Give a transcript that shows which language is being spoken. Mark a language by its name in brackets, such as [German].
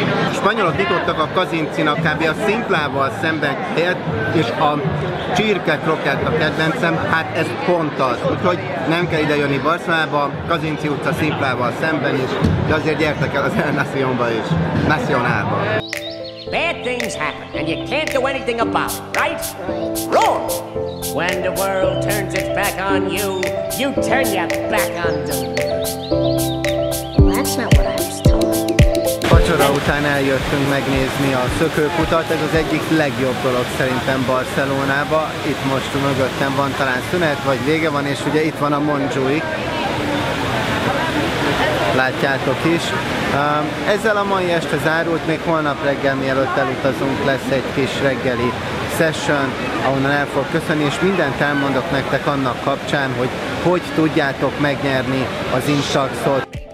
[Hungarian] A spanyolok nyitottak a kazincinak kb. A szimplával szemben helyett, és a csirke krokett a kedvencem, hát ez pont az. Úgyhogy nem kell ide jönni Barcelonába, Kazinci utca szimplával szemben is, de azért gyertek el az El Nacionba is, Nacionalba. [English] Bad things happen, and you can't do anything about it, right? Wrong! When the world turns its back on you, you turn your back on them. That's not what I was told. [Hungarian] Vacsora után eljöttünk megnézni a szökőkutat. Ez az egyik legjobb dolog szerintem Barcelonába. Itt most mögöttem van talán szünet, vagy vége van, és ugye itt van a Montjuïc. Látjátok is. Ezzel a mai este zárult, még holnap reggel, mielőtt elutazunk, lesz egy kis reggeli session, ahonnan el fog köszönni, és mindent elmondok nektek annak kapcsán, hogy hogy tudjátok megnyerni az Instaxot.